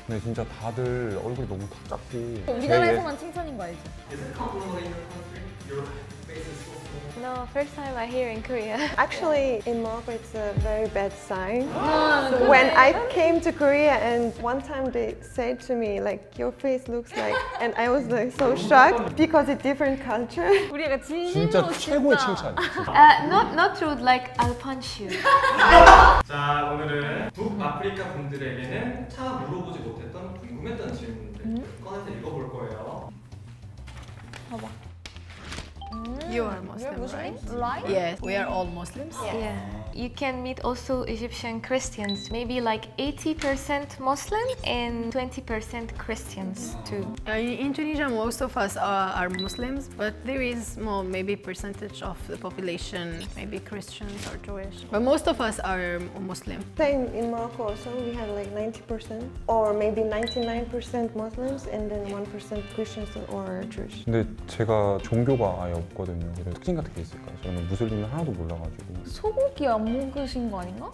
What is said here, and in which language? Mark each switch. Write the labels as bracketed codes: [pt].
[ko] 근데 진짜 다들 얼굴이 너무 딱 잡히. 우리나라에서만 칭찬인 거 알지? [en] Is it complimentary in your country? Your face is so cool. No, first time I hear in Korea. Actually, in Morocco, it's a very bad sign. No, when I came to Korea, and one time they said to me, like, your face looks like, and I was like so shocked because it's different culture. [ko] 우리가 진심으로 진짜 최고의 칭찬. [en] Not rude, like I'll punch you. [ko] 자 오늘은 북아프리카 분들에게는 차 물어보지 못했던 궁금했던 질문들 꺼내서 읽어볼 거예요. 봐봐. [en] You are Muslim, right? Yes, we are all Muslims. Yeah. You can meet also Egyptian Christians, maybe like 80% Muslim and 20% Christians too. In Tunisia, most of us are Muslims, but there is more maybe percentage of the population, maybe Christians or Jewish. But most of us are Muslim. Same in Morocco also, we have like 90% or maybe 99% Muslims and then 1% Christians or Jewish. [ko] 근데 제가 종교가 없거든요. 이런 특징 같은 게 있을까요? 저는 무슬림을 하나도 몰라가지고. 소고기 안 먹으신 거 아닌가?